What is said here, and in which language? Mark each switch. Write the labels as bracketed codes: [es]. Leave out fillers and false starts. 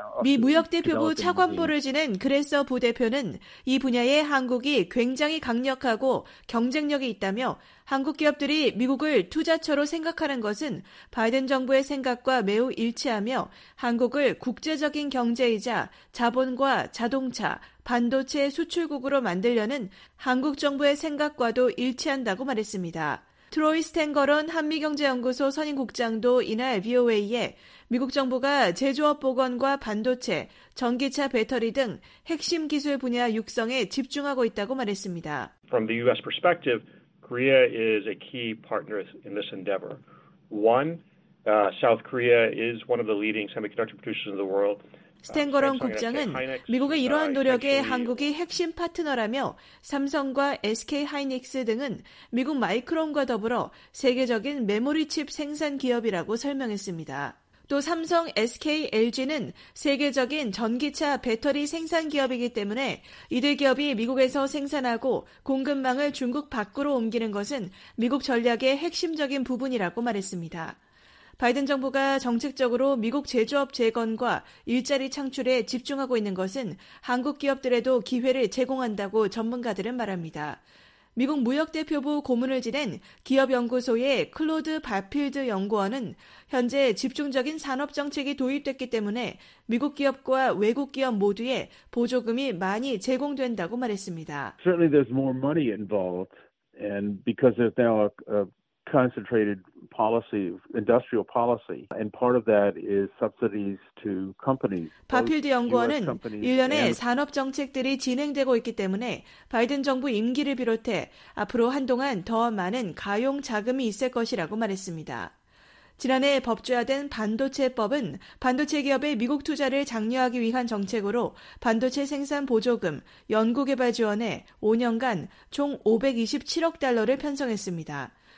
[ko] 미 무역대표부 차관보를 지낸 그레서 부대표는 이 분야에 한국이 굉장히 강력하고 경쟁력이 있다며 한국 기업들이 미국을 투자처로 생각하는 것은 바이든 정부의 생각과 매우 일치하며 한국을 국제적인 경제이자 자본과 자동차, 반도체 수출국으로 만들려는 한국 정부의 생각과도 일치한다고 말했습니다. 트로이 스탱거런 한미경제연구소 선임국장도 이날 VOA에 미국 정부가 제조업 복원과 반도체, 전기차 배터리 등 핵심 기술 분야 육성에 집중하고 있다고 말했습니다. [en] From the U.S. perspective, Korea is a key partner in this endeavor. One, South Korea is one of the leading semiconductor producers in the world. [ko] 스탱거런 국장은 미국의 이러한 노력에 한국이 핵심 파트너라며 삼성과 SK 하이닉스 등은 미국 마이크론과 더불어 세계적인 메모리 칩 생산 기업이라고 설명했습니다. 또 삼성, SK, LG는 세계적인 전기차 배터리 생산 기업이기 때문에 이들 기업이 미국에서 생산하고 공급망을 중국 밖으로 옮기는 것은 미국 전략의 핵심적인 부분이라고 말했습니다. 바이든 정부가 정책적으로 미국 제조업 재건과 일자리 창출에 집중하고 있는 것은 한국 기업들에도 기회를 제공한다고 전문가들은 말합니다. 미국 무역대표부 고문을 지낸 기업연구소의 클로드 바필드 연구원은 현재 집중적인 산업정책이 도입됐기 때문에 미국 기업과 외국 기업 모두에 보조금이 많이 제공된다고 말했습니다. [en] Certainly there's more money involved and because there's now a concentrated policy, industrial policy, and part of that is subsidies to companies. [ko] 바필드 연구원은 일련의 산업 정책들이 진행되고 있기 때문에 바이든 정부 임기를 비롯해 앞으로 한동안 더 많은 가용 자금이 있을 것이라고 말했습니다. 지난해 법제화된 반도체법은 반도체 기업의 미국 투자를 장려하기 위한 정책으로 반도체 생산 보조금, 연구개발 지원에 5년간 총 527억 달러를 편성했습니다.